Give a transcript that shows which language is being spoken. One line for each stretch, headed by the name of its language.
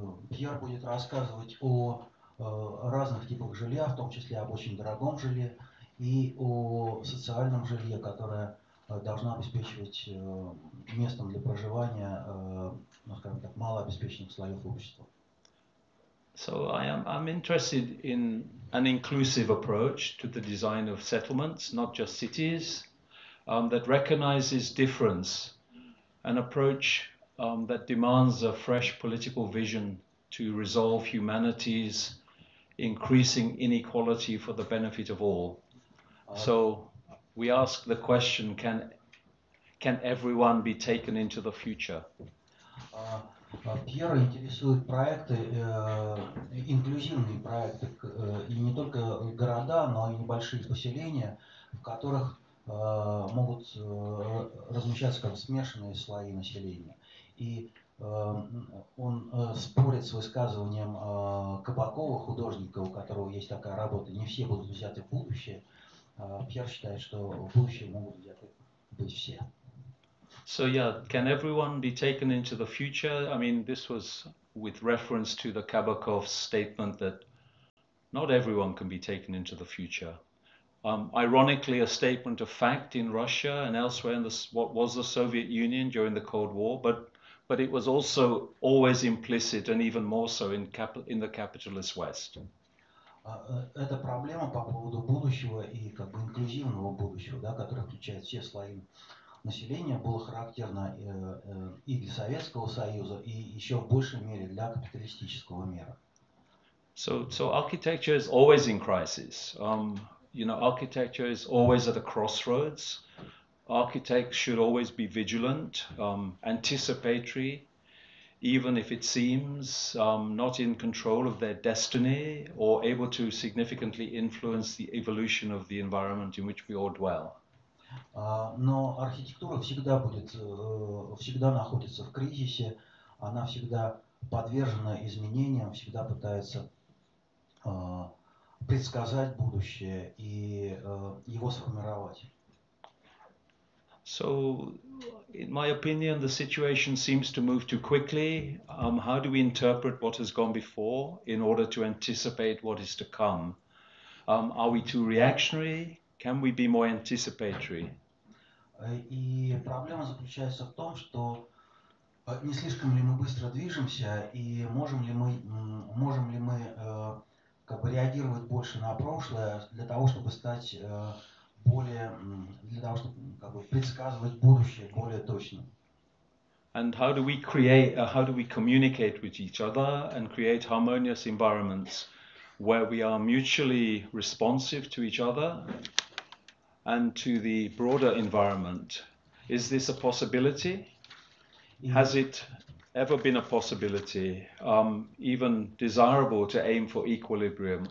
Russian: Пьер будет рассказывать о разных типах жилья, в том числе об очень дорогом жилье, и о социальном жилье, которое должно обеспечивать местом для проживания, ну, скажем так, малообеспеченных слоев общества.
English: So I'm interested in an inclusive approach to the design of settlements, not just cities, that recognizes difference, an approach that demands a fresh political vision to resolve humanity's increasing inequality for the benefit of all. So we ask the question, can everyone be taken into the future?
Russian: Пьера интересуют проекты, инклюзивные проекты, и не только города, но и небольшие поселения, в которых могут размещаться как смешанные слои населения. И он спорит с высказыванием Кабакова, художника, у которого есть такая работа: не все будут взяты в будущее. Пьер считает, что в будущее могут взяты быть все.
English: So yeah, can everyone be taken into the future? I mean, this was with reference to the Kabakov's statement that not everyone can be taken into the future. Ironically, a statement of fact in Russia and elsewhere in the, what was the Soviet Union during the Cold War, but it was also always implicit and even more so in the capitalist West.
Russian: Это проблема по поводу будущего и как бы инклюзивного будущего, да, которое включает все слои населения, было характерно и для Советского Союза, и еще в большей мере для капиталистического мира.
English: So architecture is always in crisis. You know, architecture is always at a crossroads. Architects should always be vigilant, anticipatory, even if it seems not in control of their destiny or able to significantly influence the evolution of the environment in which we all dwell.
Russian: Но архитектура всегда будет, всегда находится в кризисе, она всегда подвержена изменениям, всегда пытается предсказать будущее и его сформировать.
English: So, in my opinion, the situation seems to move too quickly. How do we interpret what has gone before in order to anticipate what is to come? Are we too reactionary? Can we be more anticipatory?
Russian: И проблема заключается в том, что не слишком ли мы быстро движемся, и можем ли мы как бы реагировать больше на прошлое для того, чтобы стать более, для того, чтобы как бы предсказывать будущее более точно.
English: And how do we create, how do we communicate with each other and create harmonious environments where we are mutually responsive to each other and to the broader environment? Is this a possibility? Has it ever been a possibility, even desirable to aim for equilibrium?